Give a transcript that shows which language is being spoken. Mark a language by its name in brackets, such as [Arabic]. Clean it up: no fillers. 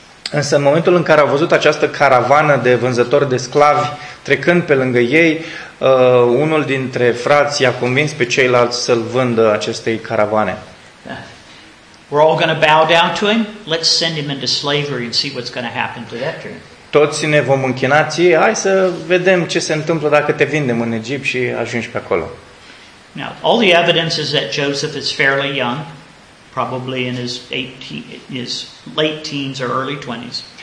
[Romanian] Însă în momentul în care au văzut această caravană de vânzători de sclavi trecând pe lângă ei, unul dintre frați i-a convins pe ceilalți să-l vândă acestei caravane. [English] We're all going to bow down to him. Let's send him into slavery and see what's going to happen to that dream. [Romanian] Toți ne vom închina ție. Hai să vedem ce se întâmplă dacă te vindem în Egipt și ajungi pe acolo. [English] Now, all the evidence is that Joseph is fairly young, probably in his 18, his late teens or early 20s.